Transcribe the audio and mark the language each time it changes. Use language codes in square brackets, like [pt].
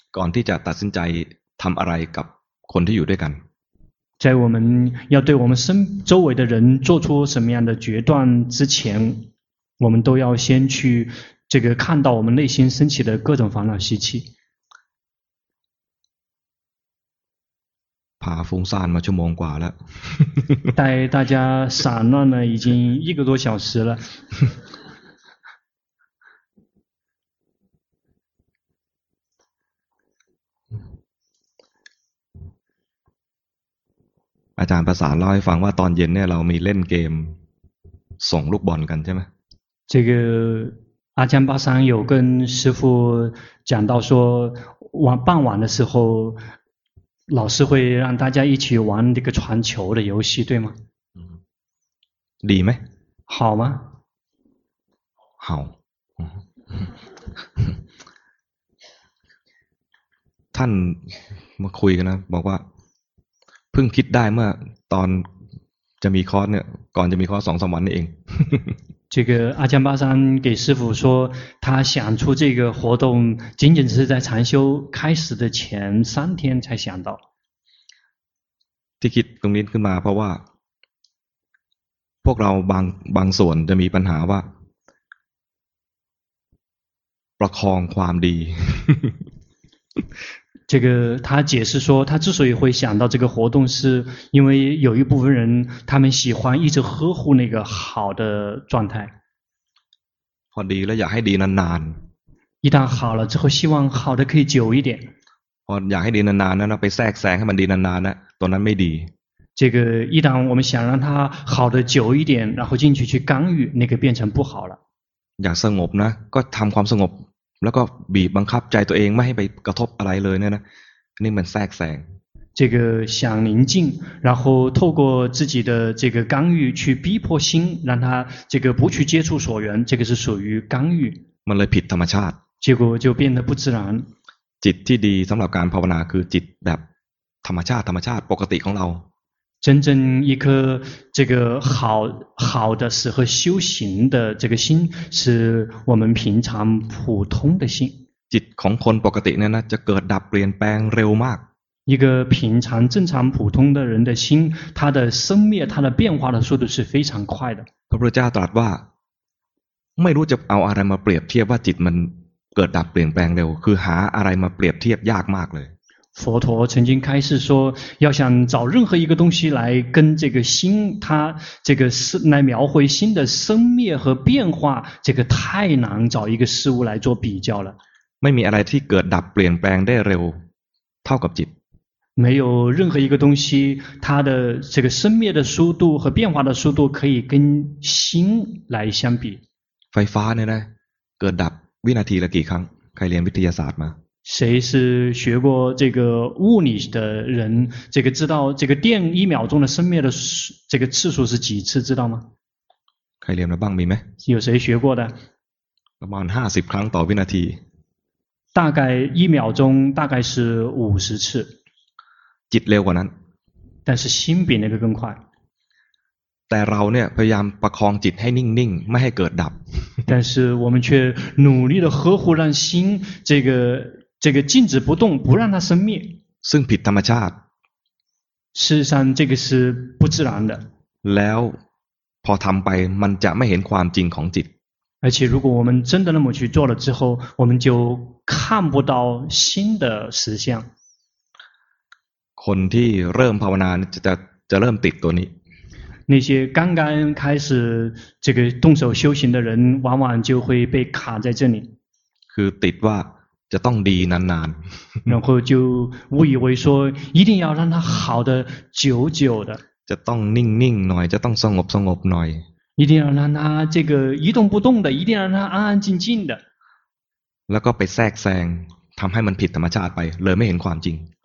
[th] ก่อนที่จะตัดสินใจทำอะไรกับคนที่อยู่ด้วยกัน [zh] 在我们要对我们身周围的人做出什么样的决断之前我们都要先去这个看到我们内心升起的各种烦恼习气 [th] พาฟุ้งซ่านมาชั่วโมงกว่าแล้ว [zh] 带大家散乱了已经一个多小时了 [th] อาจารย์ประสานเล่าให้ฟังว่าตอนเย็นเนี่ยเรามีเล่นเกมส่งลูกบอลกันใช่ไหม [zh] 这个阿江巴桑有跟师父讲到说傍晚的时候老师会让大家一起玩这个传球的游戏，对吗？理没？好吗？好。 [th] ท่านมาคุยกันนะบอกว่าเพิ่งคิดได้เมื่อตอนจะมีคอร์สเนี่ยก่อนจะมีคอร์สสองสามวันนี่เอง [zh] 这个阿江巴桑给师父说他想出这个活动仅仅是在禅修开始的前三天才想到 [th] ที่คิดตรงนี้ขึ้นมาเพราะว่าพวกเราบางส่วนจะมีปัญหาว่าประคองความดี [zh] 这个他解释说他之所以会想到这个活动是因为有一部分人他们喜欢一直呵护那个好的状态 [th] พอดีแล้วอยากให้ดีนาน [zh] ๆ一旦好了之后希望好的可以久一点 [th] พออยากให้ดีนานๆนะไปแทรกแซงให้มันดีนานๆนะตัวนั้นไม่ดี [zh] 这个一旦我们想让它好的久一点然后进去干预那个变成不好了 [th] อยากสงบนะก็ทำความสงบแล้วก็บีบบังคับใจตัวเองไม่ให้ไปกระทบอะไรเลยเนี่ยนะนี่มันแทรกแซง [zh] 这个想宁静然后透过自己的这个干预去逼迫心让他这个不去接触所缘这个是属于干预 [th] มันเลยผิดธรรมชาติ [zh] 结果就变得不自然 [th] จิตที่ดีสำหรับการภาวนาคือจิตแบบธรรมชาติปกติของเรา [zh] 真正一颗这个好的适合修行的这个心是我们平常普通的心 [th] จิตของคนปกติเนี่ยนะจะเกิดดับเปลี่ยนแปลงเร็วมาก [zh] 一个平常正常普通的人的心他的生灭他的变化的速度是非常快的 [th] พระพุทธเจ้าตรัสว่าไม่รู้จะเอาอะไรมาเปรียบเทียบว่าจิตมันเกิดดับเปลี่ยนแปลงเร็วคือหาอะไรมาเปรียบเทียบยากมากเลย [zh] 佛陀曾经开示说要想找任何一个东西来跟这个心它这个来描绘心的生灭和变化这个太难找一个事物来做比较了 [th] ไม่มีอะไรที่เกิดดับเปลี่ยนแปลงได้เร็วเท่ากับจิต [zh] 没有任何一个东西它的这个生灭的速度和变化的速度可以跟心来相比 [th] ไฟฟ้าเนี่ยนะเกิดดับวินาทีละกี่ครั้งใครเรียนวิทยาศาสตร์มา [zh] 谁是学过这个物理的人这个知道这个电一秒钟的生灭的这个次数是几次知道吗 [th] ใครเรียนมาบ้างมีไ [zh] หม有谁学过的 [th] ประมาณ50ครั้งต่อวินาที [zh] 大概一秒钟大概是50次 [th] จิตเร็วกว่านั้น [zh] 但是心比那个更快 [th] แต่เราเนี่ยพยายามประคองจิตให้นิ่งๆไม่ให้เกิดดับ [zh] 但是我们却努力的呵护让心这个静止不动不让它生灭 [th] ซึ่งผิดธรรมชาติ [zh] 事实上这个是不自然的 [th] แล้วพอทำไปมันจะไม่เห็นความจริงของจิต [zh] 而且如果我们真的那么去做了之后我们就看不到心的实相 [th] คนที่เริ่มภาวนาจะเริ่มติดตัวนี้ [zh] 那些刚刚开始这个动手修行的人往往就会被卡在这里 [th] คือติดว่าจะต้องดีนาน [zh] ๆ然后就误以为说一定要让它好的久久的 [th] จะต้องนิ่งนิ่งหน่อยจะต้องสงบสงบหน่อย [zh] 一定要让它这个一动不动的一定要让它安安静静的 [th] แล้วก็ไปแทรกแซงทำให้มันผิดธรรมชาติไปเลยไม่เห็นความจริง